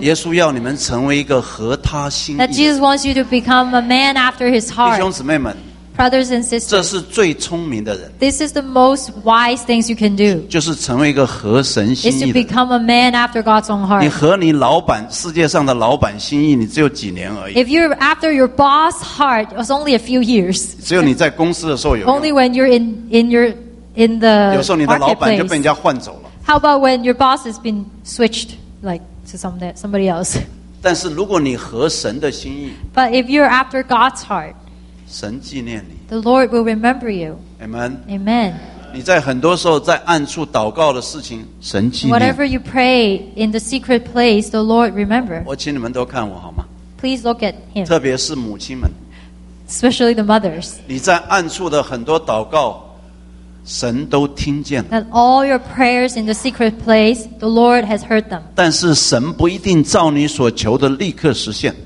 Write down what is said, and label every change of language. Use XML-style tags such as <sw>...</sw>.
<zh>耶稣要你们成为一个合他心意。</zh> <en>That Jesus wants you to become a man after His heart.</en> <zh>弟兄姊妹们</zh> <en>brothers and sisters,</en> <zh>这是最聪明的人。</zh> <en>This is the most wise things you can do.</en> <zh>就是成为一个合神心意的人。</zh> <en>Is to become a man after God's own heart.</en> <zh>你和你老板世界上的老板心意，你只有几年而已。</zh> <en>If you're after your boss heart, it's only a few years.</en> <zh>只有你在公司的时候有用。</zh> <en>Only when you're in the marketplace.</en> <zh>有时候你的老板就被人家换走了。</zh> <en>How about when your boss has been switched? Like to somebody else.</en> <zh>但是如果你合神的心意</zh> <en>But if you're after God's heart,</en> <zh>神纪念你</zh> <en>The Lord will remember you. Amen. Amen.</en> <zh>你在很多时候在暗处祷告的事情，神纪念。</zh> <en>Whatever you pray in the secret place, the Lord remember.</en> <zh>我请你们都看我好吗</zh> <en>Please look at him.</en> <zh>特别是母亲们</zh> <en>Especially the mothers.</en> <zh>你在暗处的很多祷告。神都听见了。</zh> <en>That all your prayers in the secret place, the Lord has heard them.</en> <zh>但是神不一定照你所求的立刻实现。</zh>